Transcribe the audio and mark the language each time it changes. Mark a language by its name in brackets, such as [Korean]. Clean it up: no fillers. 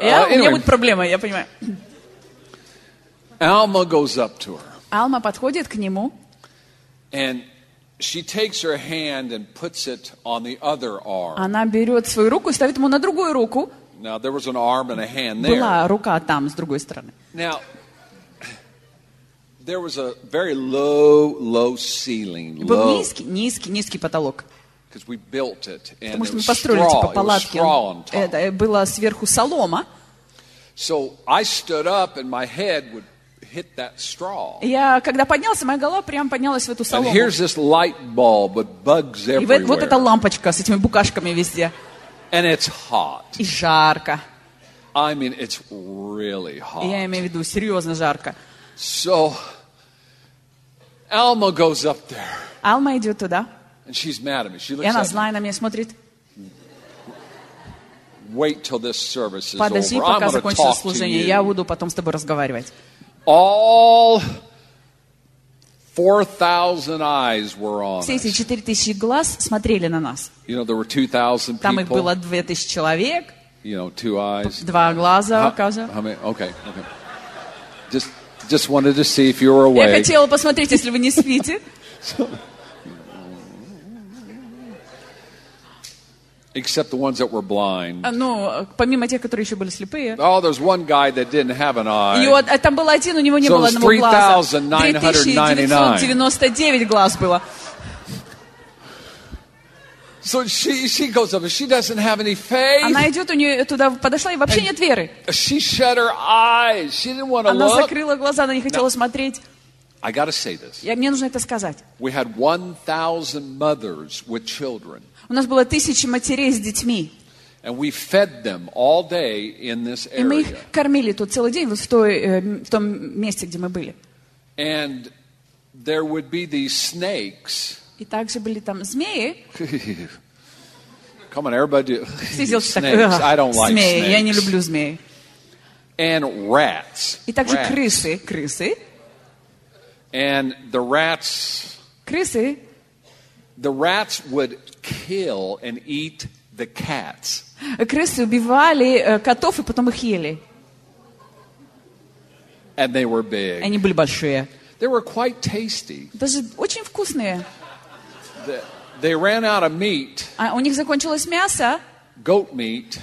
[English] Yeah, anyway. [Russian] У меня будет проблема, я понимаю. [English] Alma goes up to her. [Russian] Alma подходит к нему. [English] And she takes her hand and puts it on the other arm. [Russian] Она берет свою руку и ставит ему на другую руку. [English] Now there was an arm and a hand there. [Russian] Была рука там с другой стороны. [English] Now there was a very low ceiling. [Russian] Был низкий потолок. [English] Because we built it and [Russian] Потому что мы построили типа палатки. Это было сверху солома. [English] So I stood up and my head would hit that straw. [Russian] Я когда поднялся, моя голова прямо поднялась в эту солому. [English] And here's this light bulb with bugs everywhere. [Russian] И вот эта лампочка с этими букашками везде. [English] And it's hot. [Russian] И жарко. [English] I mean, it's really hot. [Russian] Я имею в виду, серьезно жарко. [English] So, Alma goes up there. [Russian] Alma идет туда. [English] And she's mad at me. She looks [Russian] И она [English] at [Russian] злая [English] me. [Russian] На меня смотрит. [English] wait till this service is [Russian] Подожди, [English] over. [Russian] Пока закончится служение, я буду потом с тобой разговаривать. [English] All 4,000 eyes were on. [Russian] Все эти 4,000 глаз смотрели на нас. [English] You know, there were 2,000 people. [Russian] Там их было 2,000 человек. [English] You know, two eyes. [Russian] Два глаза, оказывается. [English] How many? Okay, okay. Just wanted to see if you were awake. [Russian] Я хотела посмотреть, если вы не спите. [English] Except the ones that were blind. [Russian] Ну, помимо тех, которые еще были слепые. [English] Oh, there's one guy that didn't have an eye. [Russian] И вот, там был один, у него не было одного глаза. 3,999 глаз было. [English] So she goes up and she doesn't have any faith. [Russian] Она идет у нее туда подошла и вообще нет веры. [English] She shut her eyes. She didn't want to look. [Russian] Она закрыла глаза, она не хотела смотреть. [English] I gotta say this. [Russian] Мне нужно это сказать. [English] We had 1,000 mothers with children. [Russian] У нас было 1,000 матерей с детьми. [English] And we fed them all day in this area. [Russian] И мы их кормили тут целый день вот в том месте, где мы были. [English] And there would be these snakes. [Russian] И также были там змеи. [English] Come on, everybody. [Russian] Сидел [English] snakes. [Russian] Такой, [English] I don't like [Russian] змеи. [English] Snakes. [Russian] Я не люблю змеи. [English] And rats. [Russian] И также [English] rats. [Russian] Крысы. Крысы. [English] And the rats. [Russian] Крысы. [English] The rats would kill and eat the cats. [Russian] Крысы убивали котов и потом их ели. [English] And they were big. [Russian] Они были большие. [English] They were quite tasty. [Russian] Даже очень вкусные. [English] They ran out of meat. [Russian] А у них закончилось мясо. [English] Goat meat.